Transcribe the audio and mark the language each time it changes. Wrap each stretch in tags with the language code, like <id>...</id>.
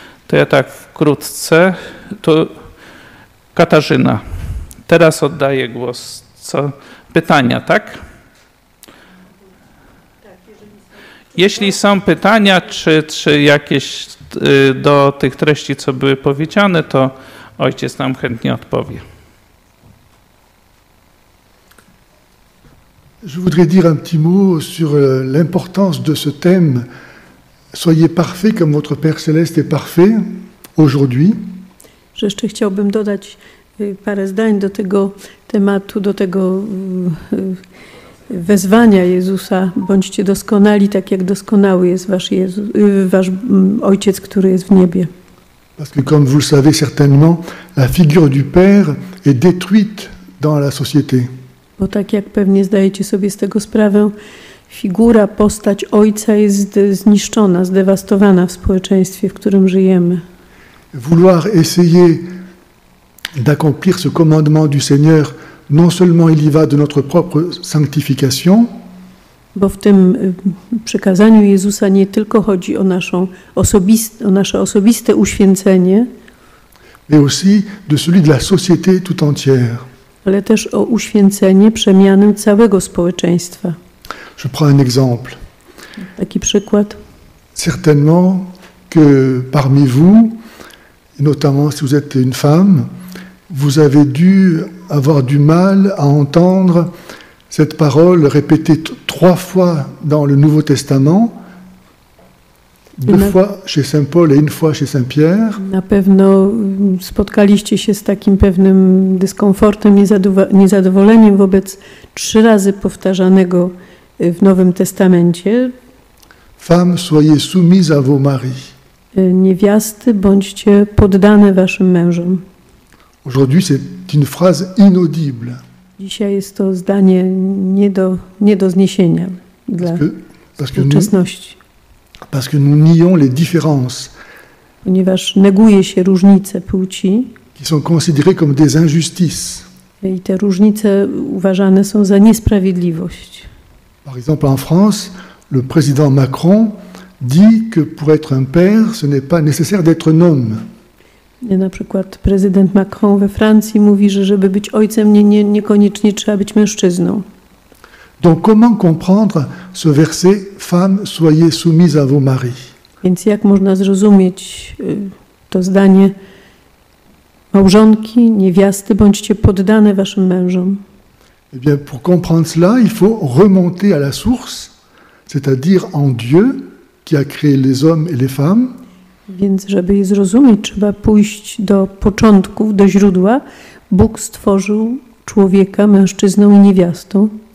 <pl>To ja tak wkrótce, to Katarzyna, teraz oddaję głos. Pytania, tak? Jeśli są pytania, czy jakieś do tych treści, co były powiedziane, to ojciec nam chętnie odpowie.</pl> <fr>Je voudrais dire un petit mot sur l'importance de ce thème. Soyez parfait comme votre Père Céleste est parfait aujourd'hui.</fr> <pl>Jeszcze chciałbym dodać parę zdań do tego tematu, do tego wezwania Jezusa. Bądźcie doskonali, tak jak doskonały jest wasz, Jezus, wasz Ojciec, który jest w niebie.</pl> <fr>Parce que comme vous le savez certainement, la figure du Père est détruite dans la société.</fr> <pl>Bo tak jak pewnie zdajecie sobie z tego sprawę, figura, postać Ojca jest zniszczona, zdewastowana w społeczeństwie, w którym żyjemy.</pl> <fr>Vouloir essayer d'accomplir ce commandement du Seigneur, non seulement il y va de notre propre sanctification,</fr> <pl>bo w tym przekazaniu Jezusa nie tylko chodzi o naszą o nasze osobiste uświęcenie,</pl> <fr>mais aussi de celui de la société tout entière.</fr> <pl>Ale też o uświęcenie, przemianę całego społeczeństwa.</pl> <fr>Je prends un exemple.</fr> <pl>Taki przykład.</pl> <fr>Certainement que parmi vous, notamment si vous êtes une femme, vous avez dû avoir du mal à entendre cette parole répétée trois fois dans le Nouveau Testament, deux fois chez Saint Paul et une fois chez Saint Pierre.</fr> <pl>Na pewno spotkaliście się z takim pewnym dyskomfortem i niezadowoleniem wobec trzy razy powtarzanego w Nowym Testamencie.</pl> <fr>Femme, soyez soumise à vos maris.</fr> <pl>Niewiasty, bądźcie poddane waszym mężom.</pl> <fr>Aujourd'hui, c'est une phrase inaudible.</fr> <pl>Dzisiaj jest to zdanie nie do zniesienia dla współczesności.</pl> <fr>Parce que nous nions les différences.</fr> <pl>Ponieważ neguje się różnice płci.</pl> <fr>Qui sont considérées comme des injustices.</fr> <pl>I te różnice uważane są za niesprawiedliwość.</pl> <fr>Par exemple, en France, le président Macron dit que pour être un père, ce n'est pas nécessaire d'être un homme.</fr> <pl>Na przykład prezydent Macron we Francji mówi, że żeby być ojcem, niekoniecznie trzeba być mężczyzną.</pl> <fr>Donc comment comprendre ce verset « Femmes, soyez soumises à vos maris » ?</fr> <pl>Więc jak można zrozumieć to zdanie małżonki, niewiasty, bądźcie poddane waszym mężom?</pl> <fr>Eh bien, pour comprendre cela, il faut remonter à la source, c'est-à-dire en Dieu qui a créé les hommes et les femmes.</fr> <pl>Więc żeby je zrozumieć, trzeba pójść do początku, do źródła. Bóg stworzył człowieka, mężczyznę i niewiastę.</pl>